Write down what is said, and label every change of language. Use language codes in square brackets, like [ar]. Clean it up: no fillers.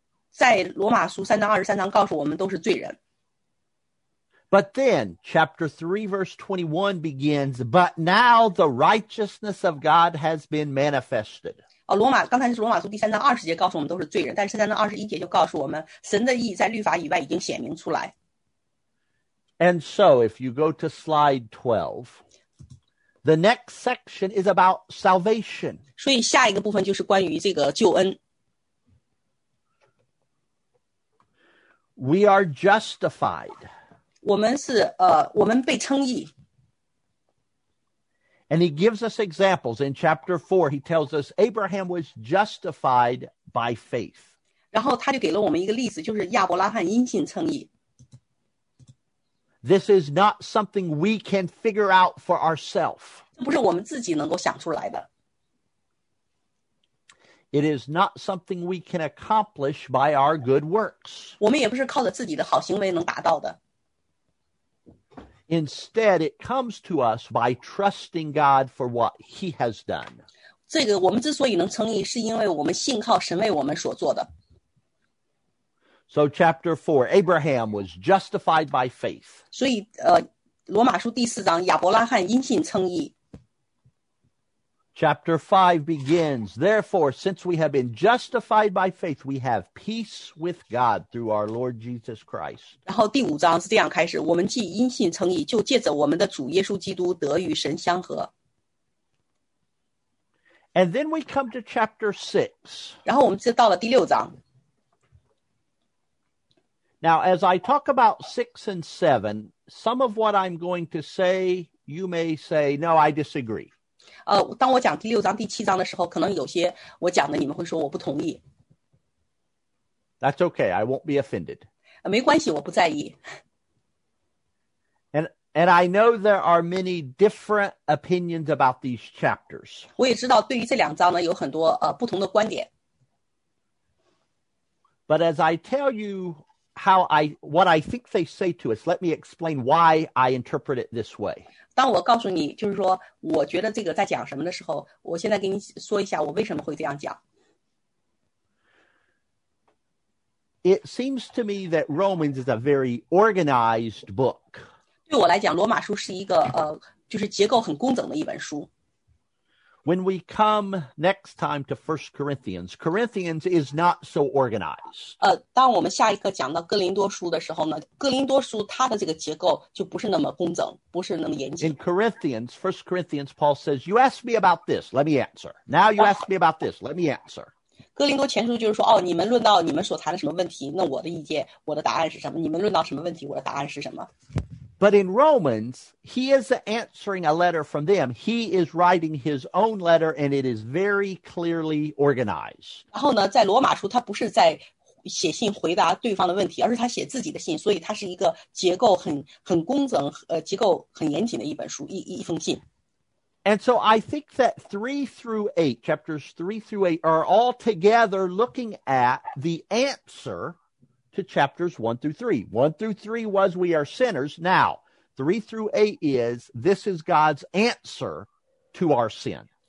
[zh] 在罗马书三章二十三章告诉我们都是罪人。 [en] But then, chapter 3, verse 21 begins, but now the righteousness of God has been manifested. [zh] 刚才是罗马书第三章二十节告诉我们都是罪人，但是三章二十一节就告诉我们神的义在律法以外已经显明出来。 [en] And so, if you go to slide 12, the next section is about salvation. [zh] 所以下一个部分就是关于这个救恩。 [en] We are justified. [zh] 我们被称义。 [en] And he gives us examples. In chapter 4, he tells us Abraham was justified by faith. [zh] 然后他就给了我们一个例子，就是亚伯拉罕因信称义。 [en] This is not something we can figure out for ourselves. [zh] 这不是我们自己能够想出来的。 [en] It is not something we can accomplish by our good works. [zh] 我们也不是靠着自己的好行为能达到的。 [en] Instead, it comes to us by trusting God for what he has done. [zh] 这个我们之所以能称义，是因为我们信靠神为我们所做的。 [en] So chapter 4, Abraham was justified by faith. [zh] 所以罗马书第四章，亚伯拉罕因信称义。 [en] Chapter 5 begins, therefore, since we have been justified by faith, we have peace with God through our Lord Jesus Christ. [zh] 然后第五章是这样开始，我们既因信称义，就借着我们的主耶稣基督得与神相合。 [en] And then we come to chapter 6. [zh] 然后我们就到了第六章。 [en] Now, as I talk about 6 and 7, some of what I'm going to say, you may say, no, I disagree. [zh] 当我讲第六章、第七章的时候，可能有些我讲的你们会说我不同意。 [en] That's okay, I won't be offended. [zh] 没关系，我不在意。 [en] And I know there are many different opinions about these chapters. [zh] 我也知道对于这两章呢，有很多不同的观点。 [en] But as I tell you what I think they say to us, let me explain why I interpret it this way. [zh] 当我告诉你，就是说，我觉得这个在讲什么的时候，我现在给你说一下我为什么会这样讲。 [en] it seems to me that Romans is a very organized book. [zh] 对我来讲，罗马书是一个就是结构很工整的一本书。 [en] When we come next time to 1 Corinthians, Corinthians is not so organized. [zh] 当我们下一个讲到哥林多书的时候呢，哥林多书它的这个结构就不是那么工整，不是那么严谨。 [en] In Corinthians, 1 Corinthians, Paul says, you ask me about this, let me answer. Now you ask me about this, let me answer. [zh] 哥林多前书就是说，哦，你们论到你们所谈的什么问题，那我的意见，我的答案是什么？你们论到什么问题，我的答案是什么？ [en] But in Romans, he is answering a letter from them. He is writing his own letter, and it is very clearly organized. [zh] 然后呢，在罗马书，他不是在写信回答对方的问题，而是他写自己的信，所以他是一个结构很工整，结构很严谨的一本书，一封信。 [en] And so I think that 3 through 8, chapters 3 through 8, are all together looking at the answer to chapters 1 through 3. 1 through 3 was we are sinners. Now, 3 through 8 is this is God's answer to our sin.